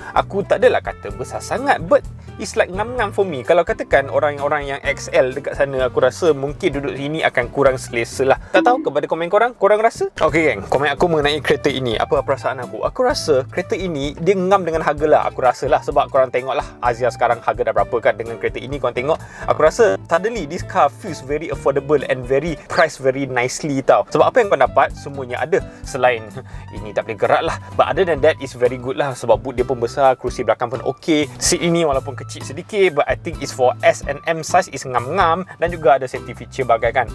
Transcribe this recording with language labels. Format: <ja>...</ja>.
<ms>aku tak adalah kata besar sangat,</ms> <en>but it's like 6-6 for me.</en> <ms>Kalau katakan orang-orang yang XL dekat sana, aku rasa mungkin duduk sini akan kurang selesa lah. Tak tahu kepada komen korang, korang rasa? Okay geng, komen aku mengenai kereta ini, apa perasaan aku? Aku rasa kereta ini dia ngam dengan harga lah. Aku rasa lah, sebab korang tengok lah Azia sekarang harga dah berapa kan dengan kereta ini. Korang tengok, aku rasa</ms> <en>suddenly this car feels very affordable and very priced very nicely</en> <ms>tau. Sebab apa yang korang dapat, semuanya ada. Selain ini tak boleh gerak lah,</ms> <en>but other than that is very good</en> <ms>lah. Sebab boot dia pun besar, kerusi belakang pun okay. Seat ini walaupun kecil sedikit,</ms> <en>but I think it's for S and M size, is</en> <ms>ngam-ngam. Dan juga ada safety feature bagai kan.</ms>